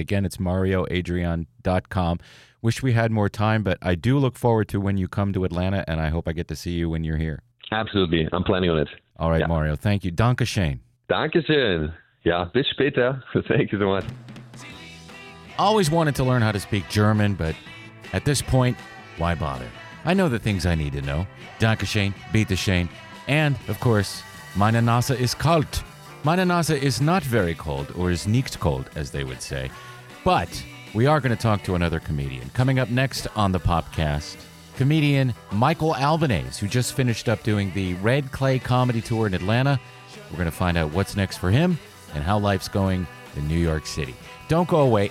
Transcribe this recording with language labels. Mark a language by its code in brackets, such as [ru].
[en] Again, it's MarioAdrian.com. Wish we had more time, but I do look forward to when you come to Atlanta, and I hope I get to see you when you're here. Absolutely. I'm planning on it. All right, yeah. Mario. Thank you. Dankeschön. Dankeschön. Yeah, [de] bis später. [en] Thank you so much. Always wanted to learn how to speak German, but at this point, why bother? I know the things I need to know. [de] Dankeschön, bitte schön, [en] and, of course, [de] meine Nase ist kalt. Meine Nase [en] is not very cold, or is nicht cold, as they would say. But we are going to talk to another comedian. Coming up next on the podcast, comedian Michael Albanese, who just finished up doing the Red Clay Comedy Tour in Atlanta. We're going to find out what's next for him and how life's going in New York City. Don't go away.